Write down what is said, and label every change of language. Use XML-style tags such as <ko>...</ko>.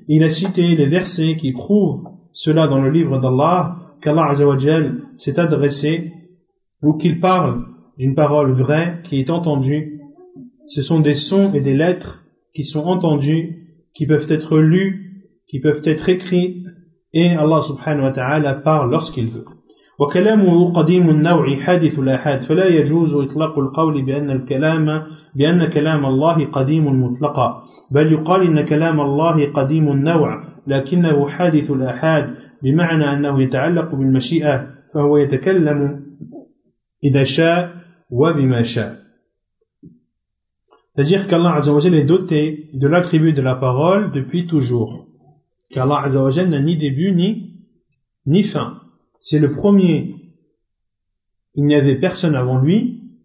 <fr>Il a cité les versets qui prouvent cela dans le livre d'Allah, qu'Allah Azzawajal s'est adressé, ou qu'il parle d'une parole vraie qui est entendue. Ce sont des sons et des lettres qui sont entendus, qui peuvent être lus, qui peuvent être écrits, et Allah subhanahu wa ta'ala parle lorsqu'il veut.</fr> <ar>وكلامه قديم النوع حادث الآحاد فلا يجوز إطلاق القول بأن الكلام بأن كلام الله قديم مطلقا بل يقال إن كلام الله قديم النوع لكنه حادث الآحاد بمعنى أنه يتعلق بالمشيئة فهو يتكلم إذا شاء وبما شاء.</ar> <fr>C'est-à-dire qu'Allah عز وجل est doté de l'attribut de la parole depuis toujours, qu'Allah عز وجل n'a ni début ni fin. C'est le premier. Il n'y avait personne avant lui.</fr>